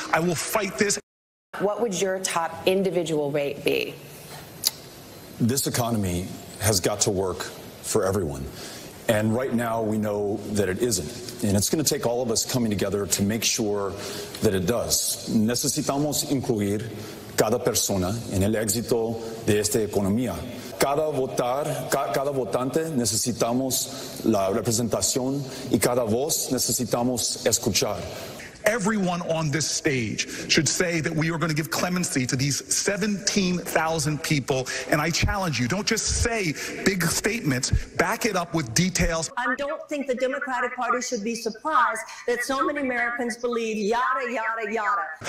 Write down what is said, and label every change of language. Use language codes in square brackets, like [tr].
[en] I will fight this. What would your top individual rate be? This economy has got to work for everyone. And right now we know that it isn't. And it's going to take all of us coming together to make sure that it does. [es] Necesitamos incluir cada persona en el éxito de esta economía. Cada votante necesitamos la representación y cada voz necesitamos escuchar. [en] Everyone on this stage should say that we are going to give clemency to these 17,000 people. And I challenge you, don't just say big statements, back it up with details. I don't think the Democratic Party should be surprised that so many Americans believe yada, yada, yada.